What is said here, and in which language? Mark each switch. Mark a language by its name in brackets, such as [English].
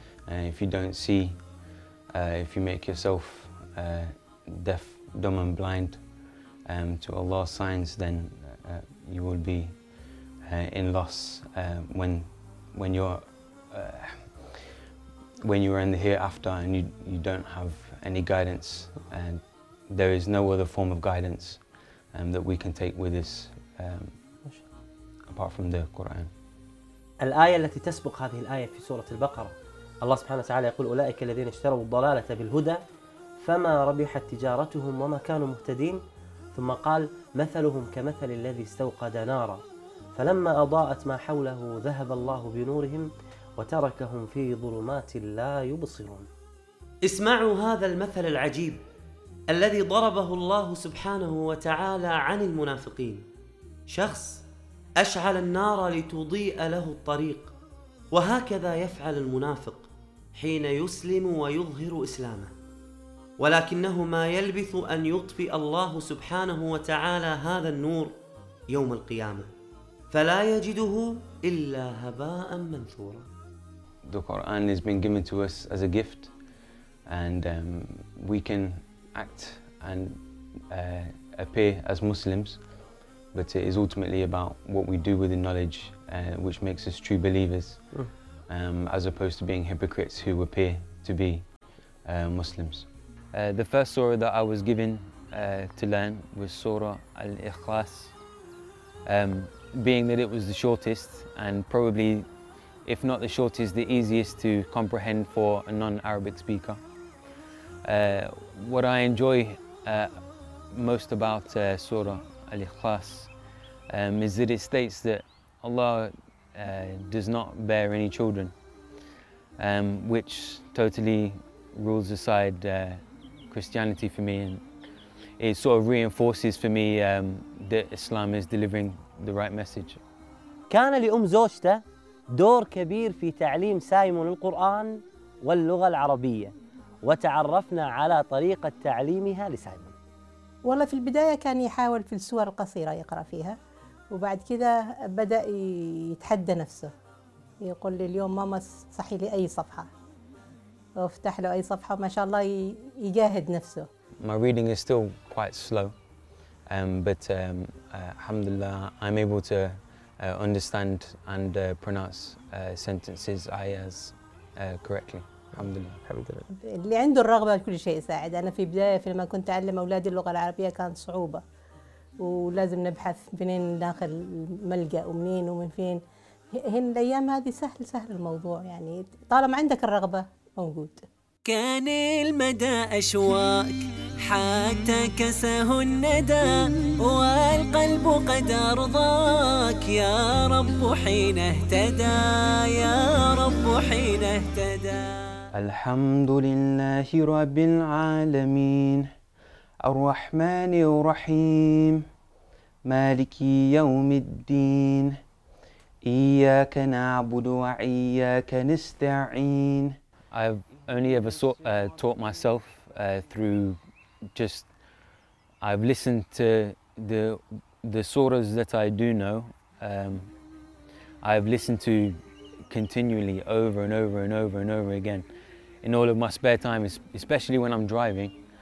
[English] And if you don't see, if you make yourself deaf, dumb and blind to Allah's signs, then you will be in loss when you are in the hereafter and you don't have any guidance, and there is no other form of guidance that we can take with us apart from the Quran. [Arabic] الآية التي تسبق هذه الآية في سورة البقرة، الله سبحانه وتعالى يقول أولئك الذين اشتروا الضلالة بالهدى فما ربحت تجارتهم وما كانوا مهتدين، ثم قال مثلهم كمثل الذي استوقد نارا فلما أضاءت ما حوله ذهب الله بنورهم وتركهم في ظلمات لا يبصرون. اسمعوا هذا المثل العجيب الذي ضربه الله سبحانه وتعالى عن المنافقين. شخص أشعل النار لتضيء له الطريق، وهكذا يفعل المنافق حين يسلم ويظهر إسلامه، ولكنه ما يلبث أن يطفئ الله سبحانه وتعالى هذا النور يوم القيامة، فلا يجده إلا هباء منثورا. [English] The Quran has been given to us as a gift, and we can act and appear as Muslims, but it is ultimately about what we do with the knowledge which makes us true believers, as opposed to being hypocrites who appear to be Muslims. The first surah that I was given to learn was Surah Al-Ikhlas, being that it was the shortest and probably, if not the shortest, the easiest to comprehend for a non-Arabic speaker. What I enjoy most about Surah Al-Ikhlas is that it states that Allah does not bear any children, which totally rules aside Christianity for me, and it sort of reinforces for me that Islam is delivering the right message. [Arabic] كان لأم زوجته دور كبير في تعليم سايمون القرآن واللغة العربية، وتعرفنا على طريقة تعليمها لسايمون. والله في البداية كان يحاول في السور القصيرة يقرأ فيها، وبعد كذا بدأ يتحدى نفسه، يقول لي اليوم ماما صحي لي أي صفحة، وافتح له أي صفحة، ما شاء الله يجاهد نفسه. [English] My reading is still quite slow, but alhamdulillah, I'm able to understand and pronounce sentences, ayahs correctly. [Arabic] Alhamdulillah. اللي عنده الرغبة كل شيء يساعد. أنا في بداية لما كنت أعلم أولادي اللغة العربية كانت صعوبة، ولازم نبحث منين داخل ملجأ ومنين ومن فين. هن الأيام هذه سهل سهل الموضوع، يعني طالما عندك الرغبة موجود. كان المدى أشواك حتى كسه الندى، والقلب قد أرضاك يا رب حين اهتدى، يا رب حين اهتدى. الحمد لله رب العالمين، الرحمن الرحيم، مالك يوم الدين، إياك نعبد وإياك نستعين. [English] I've only ever taught myself through just, I've listened to the surahs that I do know. I've listened to continually over and over and over and over again in all of my spare time, especially when I'm driving.